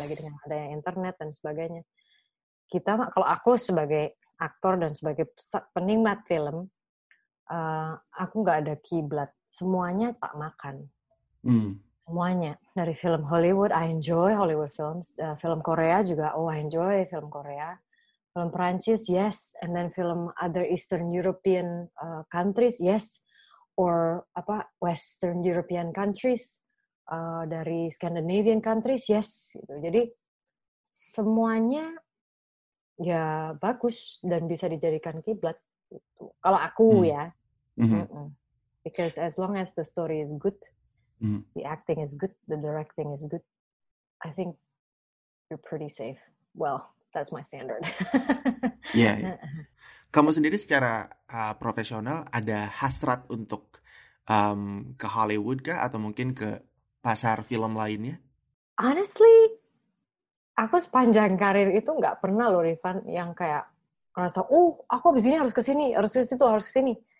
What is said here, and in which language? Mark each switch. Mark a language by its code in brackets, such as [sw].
[id] Apalagi dengan adanya internet dan sebagainya. Kita, kalau aku sebagai aktor dan sebagai penikmat film, aku nggak ada kiblat. Semuanya tak makan. Semuanya. Dari film Hollywood, [en] I enjoy Hollywood films. [id] Film Korea juga, [en] I enjoy [id] film Korea. Film Perancis, yes. [en] And then film other Eastern European countries, yes. Or apa Western European countries. Dari Scandinavian countries, yes. Gitu. [id] Jadi, semuanya ya bagus dan bisa dijadikan kiblat gitu. Kalau aku ya. [en] Because as long as the story is good, the acting is good, the directing is good, I think you're pretty safe. Well, that's my standard. Yeah, yeah. [id] Kamu sendiri secara profesional ada hasrat untuk ke Hollywood kah atau mungkin ke pasar film lainnya? Honestly, aku sepanjang karir itu nggak pernah loh, Rifan, yang kayak ngerasa, aku abis ini harus kesini, harus kesitu, harus kesini.